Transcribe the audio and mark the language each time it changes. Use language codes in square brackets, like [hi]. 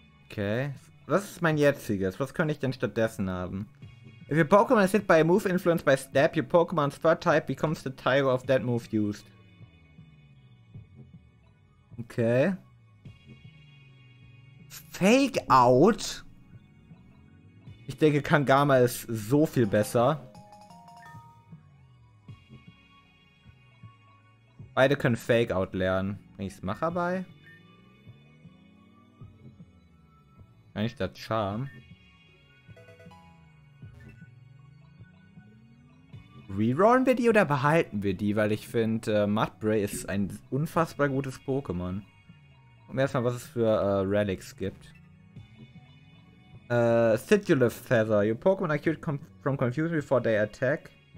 [de] Okay. Was ist mein jetziges? Was könnte ich denn stattdessen haben? [en] If your Pokémon is hit by a move influenced by Stab, your Pokémon's third type becomes the type of that move used. Okay. Fake Out? [de] Ich denke, Kangama ist so viel besser. Beide können Fake Out lernen. Bring ich's Macher bei? Eigentlich der Charm. Rerollen wir die oder behalten wir die? Weil ich finde, Mudbray ist ein unfassbar gutes Pokémon. Und erstmal, was es für Relics gibt. [en] Citrullus Feather. Your Pokémon are cured from confusion before they attack.